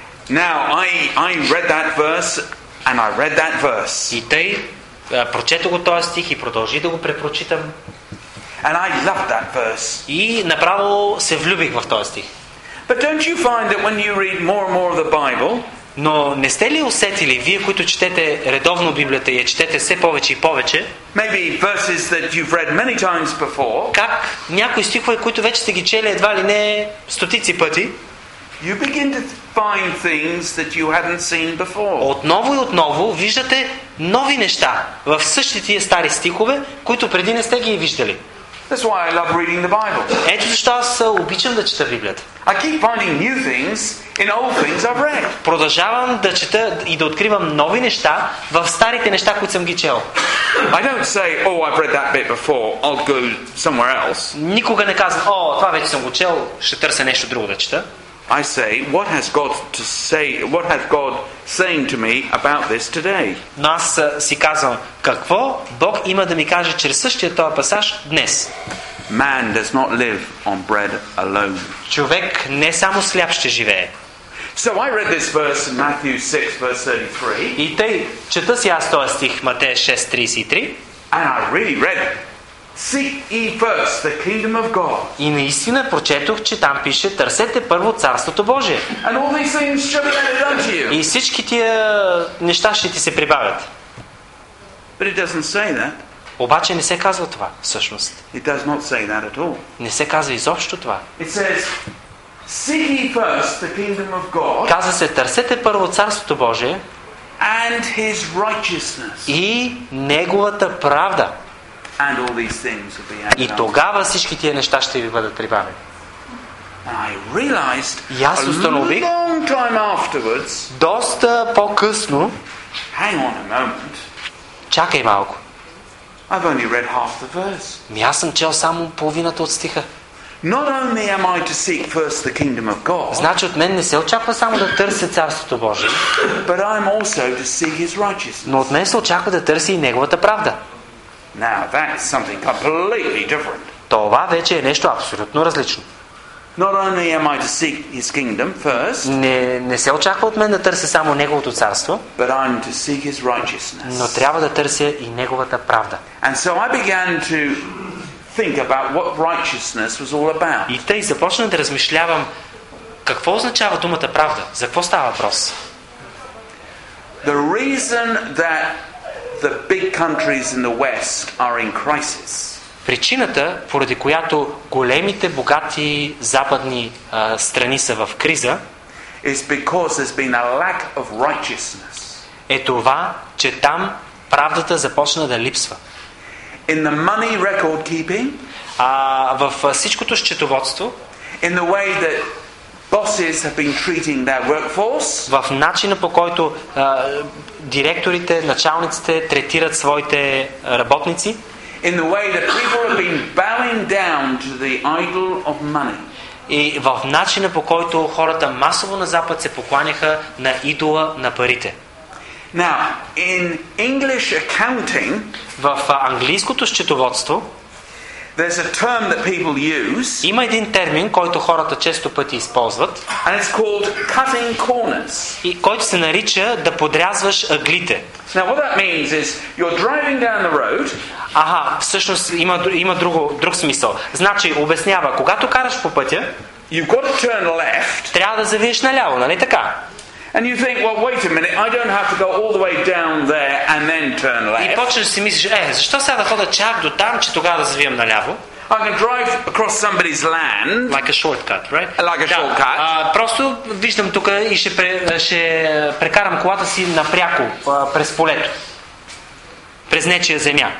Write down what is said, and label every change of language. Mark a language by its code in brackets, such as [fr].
[en] Now I read that verse and I read that verse. [bg] И тъй прочетох този стих и продължи да го препрочитам. [en] And I love that verse. [bg] И направо се влюбих в този стих. [en] But don't you find that when you read more and more of the Bible? [bg] Но не сте ли усетили вие, които четете редовно Библията и я четете все повече и повече? [en] Maybe verses that you've read many times before. [bg] Как някои стихове, които вече сте ги чели едва ли не стотици пъти? [en] You begin to find things that you hadn't seen before. [bg] Отново и отново виждате нови неща в същите тия стари стихове, които преди не сте ги виждали. [en] That's why I love reading the Bible. [bg] Ето защо аз обичам да чета Библията. [en] I keep finding new things in old things I've read. [bg] Продължавам да чета и да откривам нови неща в старите неща, които съм ги чел. [en] I don't say, oh, I've read that bit before. I'll go somewhere else. [bg] Никога не казвам, о, това вече съм го чел, ще търся нещо друго да чета. [en] I say, what has God to say? What has God saying to me about this today? [bg] Но аз си казвам, какво Бог има да ми каже чрез същия този пасаж днес? [en] Man does not live on bread alone. [bg] Човек не само сляп ще живее. [en] So I read this verse in Matthew 6 verse 33. [bg] И тъй чета си аз този стих Матея 6:33. [en] And I really read it. Seek ye first the kingdom of God. [bg] И наистина прочетох, че там пише търсете първо царството Божие. [en] And all these things shall be added unto you. [bg] И всички тия неща ще ти се прибавят. [en] But it doesn't say that. [bg] Обаче не се казва това всъщност. [en] It does not say that at all. [bg] Не се казва изобщо това. [en] It says seek ye first the kingdom of God. [bg] Казва се търсете първо царството Божие. [en] And his righteousness. [bg] И неговата правда. [en] And all these things will be added. [bg] И тогава всички тия неща ще ви бъдат прибавени. [en] I realized a long time afterwards. [bg] Доста по-късно. [en] Hang on a moment. [bg] Чакай малко. [en] I've only read half the verse. [bg] Ми аз съм чел само половината от стиха. [en] Not only am I to seek first the kingdom of God. [bg] Значи от мен не се очаква само да търся царството Божие. [en] But I'm also to seek his righteousness. [bg] Но от мен се очаква да търся и неговата правда. [en] Now that's something completely different. [bg] Това вече е нещо абсолютно различно. [en] Not only am I to seek his kingdom first. [bg] Не се очаква от мен да търся само неговото царство. [en] But I'm to seek his righteousness. [bg] Но трябва да търся и неговата правда. [en] And so I began to think about what righteousness was all about. [bg] И тъй започна да размишлявам какво означава думата правда, за какво става въпрос. [en] The reason that the big countries in the West are in crisis. [bg] Причината, поради която големите богати западни страни са в криза, [en] is because there's been a lack of righteousness. [bg] Е това, че там правдата започна да липсва. [en] In the money record keeping, [bg] в всичкото счетоводство, [en] in the way that bosses have been treating their workforce. [bg] В начина по който директорите, началниците третират своите работници. [en] In the way that people have been bowing down to the idol of money. [bg] И в начина по който хората масово на Запад се покланяха на идола на парите. [en] Now, in English accounting, [bg] в английското счетоводство, [en] there's a term that people use. [bg] Има един термин, който хората често пъти използват. [en] And it's called cutting corners. [bg] И който се нарича да подрязваш ъглите. [en] Now what that means is you're driving down the road. [bg] Аха, всъщност има друг смисъл. Значи, обяснява, когато караш по пътя, [en] you've got to turn left. [bg] Трябва да завиеш наляво, нали така? [en] And you think, well, wait a minute, I don't have to go all the way down there and then turn left. [bg] И почнеш си мислиш, защо сега да ходя чак до там, че тогава да завием наляво? [en] I can drive across somebody's land. Like a shortcut, right? Like a shortcut. [bg] Просто виждам тук и ще прекарам колата си напряко през полето. През нечия земя.